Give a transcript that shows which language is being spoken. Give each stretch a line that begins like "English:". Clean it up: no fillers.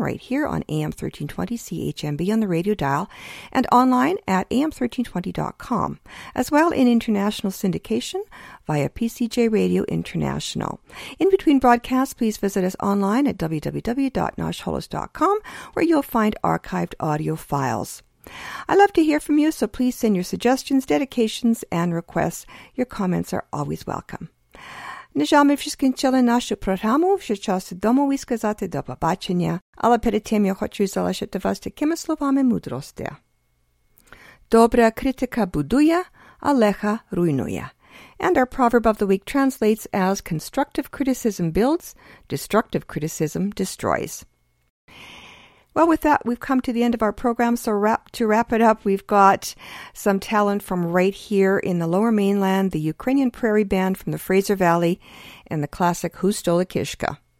English: right here on AM 1320 CHMB on the radio dial and online at am1320.com, as well in international syndication via PCJ Radio International. In between broadcasts, please visit us online at www.nashholos.com, where you'll find archived audio files. I love to hear from you, so please send your suggestions, dedications, and requests. Your comments are always welcome.
Ukrainian: На жаль, ми вже скінчили нашу програму. Вже час домові сказати до побачення. Але перед тим я хочу залишити вас такими словами мудрості. Добра критика будує, а лиха руйнує.
English: And our proverb of the week translates as constructive criticism builds, destructive criticism destroys. Well, with that, we've come to the end of our program, so to wrap it up, we've got some talent from right here in the Lower Mainland, the Ukrainian Prairie Band from the Fraser Valley, and the classic Who Stole a Kishka.